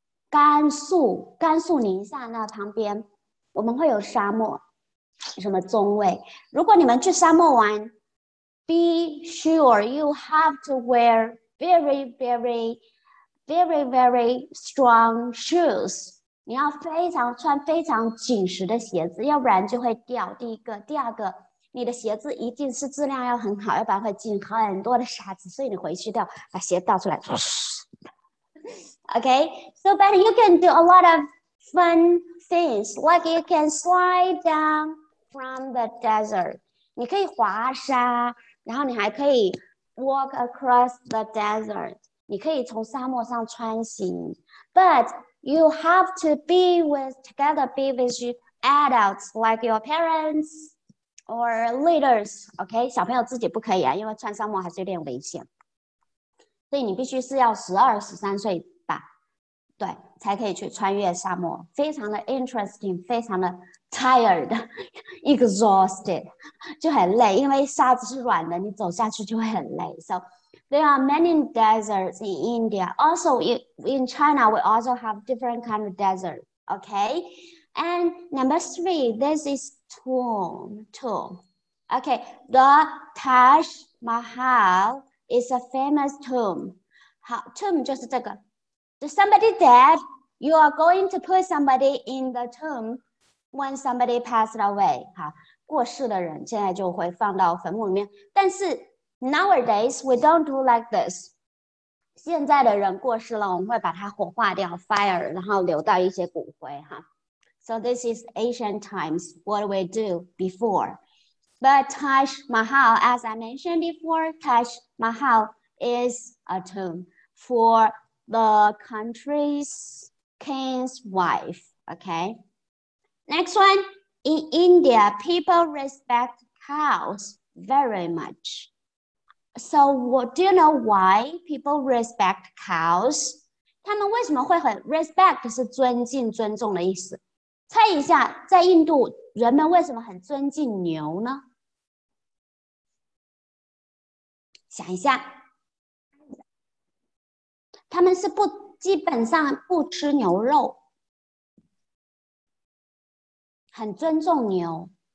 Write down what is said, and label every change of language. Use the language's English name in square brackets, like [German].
[Chinese] 甘肃宁夏那旁边我们会有沙漠，什么中卫，如果你们去沙漠玩 [English] be sure you have to wear very very very very strong shoes, [Chinese] 你要非常穿非常紧实的鞋子，要不然就会掉。第二个你的鞋子一定是质量要很好，要不然会进很多的沙子，所以你回去掉把鞋倒出来。 [English] Okay, so but you can do a lot of fun things, like you can slide down from the desert. [Chinese] 你可以滑沙，然后你还可以 [English] walk across the desert. [Chinese] 你可以从沙漠上穿行 [English] ，but you have to be with together be with adults like your parents or leaders. [Chinese] OK， 小朋友自己不可以啊，因为穿沙漠还是有点危险。所以你必须是要12、13岁吧，对，才可以去穿越沙漠，非常的 interesting， 非常的 [English] tired， exhausted， [Chinese] 就很累，因为沙子是软的，你走下去就会很累。 [English] So there are many deserts in India. Also in China, we also have different kind of desert. Okay, and number three, this is tomb. Okay, the Taj Mahal. It's a famous tomb. [Chinese] 好 [English] tomb [Chinese] 就是这个。 [English] Does somebody dead? You are going to put somebody in the tomb when somebody passed away. [Chinese] 好，过世的人现在就会放到坟墓里面。但是 [English] nowadays we don't do like this. [Chinese] 现在的人过世了，我们会把它火化掉 ，fire， 然后留到一些骨灰哈。 [English] So this is ancient times. What we do before. But Taj Mahal, as I mentioned before, Taj Mahal is a tomb for the country's king's wife, okay? Next one, in India, people respect cows very much. So what, do you know why people respect cows? [Chinese] 他们为什么会很 respect 是尊敬尊重的意思。猜一下，在印度，人们为什么很尊敬牛呢？想一下，他们是不基本上不吃牛肉，很尊重牛。